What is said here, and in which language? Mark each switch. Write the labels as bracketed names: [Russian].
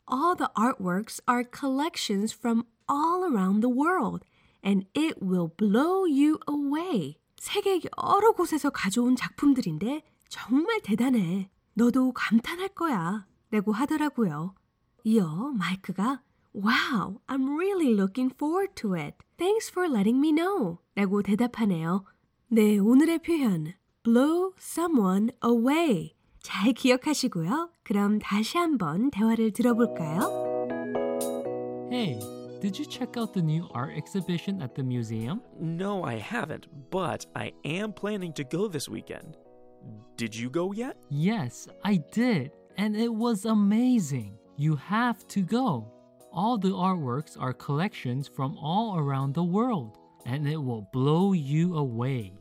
[English] All the artworks are collections from all around the world. And it will blow you away. [Korean] 세계 여러 곳에서 가져온 작품들인데 정말 대단해. 너도 감탄할 거야. 라고 하더라고요. 이어 마이크가 [English] Wow, I'm really looking forward to it. Thanks for letting me know. [Korean] 라고 대답하네요. 네, 오늘의 표현 [English] Blow someone away. [Korean] 잘 기억하시고요. 그럼 다시 한번 대화를 들어볼까요? [English] Hey, did you check out the new art exhibition at the museum? No, I haven't, but I am planning to go this weekend. Did you go yet? Yes, I did, and it was amazing. You have to go. All the artworks are collections from all around the world, and it will blow you away.